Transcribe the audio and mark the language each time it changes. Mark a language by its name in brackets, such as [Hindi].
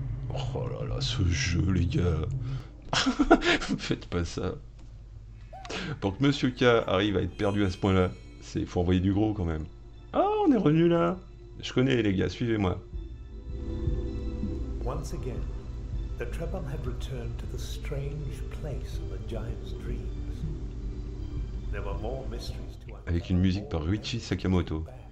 [French] Oh là là, ce jeu, les gars. Vous faites pas ça. Pour que Monsieur K arrive à être perdu à ce point-là, c'est faut envoyer du gros quand même. Ah, oh, on est revenu là. Je connais les gars, suivez-moi. [English] Once again, the Trebon had returned to the strange place of the giant's dreams. There were more mysteries to uncover. [French] Avec une musique par Ruichi Sakamoto.